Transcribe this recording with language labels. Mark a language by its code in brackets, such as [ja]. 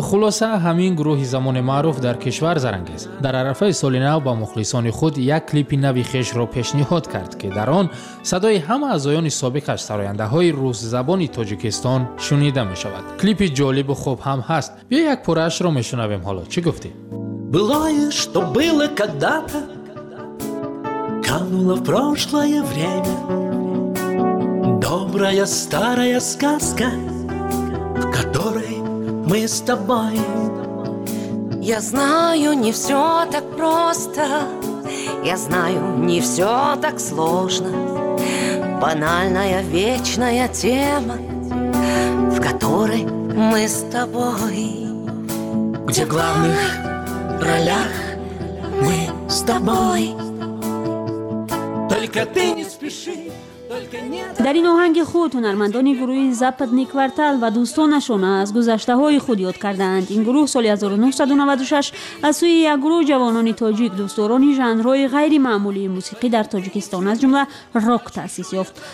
[fa] خلاصه همین گروه زمان معروف در کشور زرنگیز در عرفه سال نو با مخلصان خود یک کلیپ نوی خیش را پیشنهاد کرد که در آن صدای همه اعضایان سابقش سراینده های روس زبان تاجیکستان شنیده می شود. کلیپ جالب و خوب هم هست، بیا یک پاره اش را می شنویم. حالا چی گفتی؟ [ru] Былое, что было когда-то, кануло в прошлое время. Добрая старая сказка, в которой мы с тобой. Я знаю, не все так просто, я знаю, не все так сложно. Банальная вечная тема, в которой мы с тобой. Где главных в ролях мы с тобой. Только ты не спеши. [fa] در این آهنگ خود هنرمندان گروه زپد نیکورتل و دوستانشون از گذشته های خود یاد کردند. این گروه سال 1996 از سوی یک گروه جوانان تاجیک دوستداران ژانرهای غیر معمولی موسیقی در تاجیکستان از جمله راک تأسیس یافت.